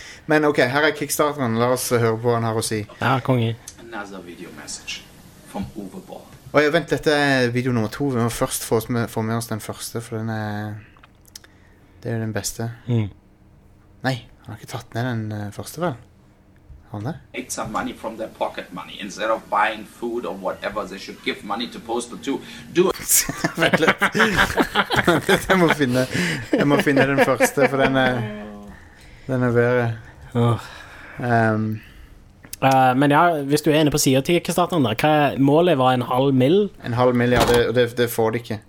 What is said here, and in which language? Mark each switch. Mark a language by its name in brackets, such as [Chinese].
[Norwegian] Men ok, her er Kickstarteren. La oss høre på hva han har å si. Ja, konge. [English] Another video message from Uwe Boll. [Norwegian] Oi, vent, dette er video nummer to. Vi må først få med oss den første, for den er... Det er jo den beste. Nei, han har ikke tatt ned den første, vel? Han det? [English] Take some money from their pocket money, instead of buying food or whatever, they should give money to Postal 2. Do it! [Norwegian] Vent litt. Jeg må finne den første, for den er bedre. Men ja, hvis du er inne på siden til Kickstarteren der, hva er målet? Var en halv mil? En halv mil, ja, det får de ikke.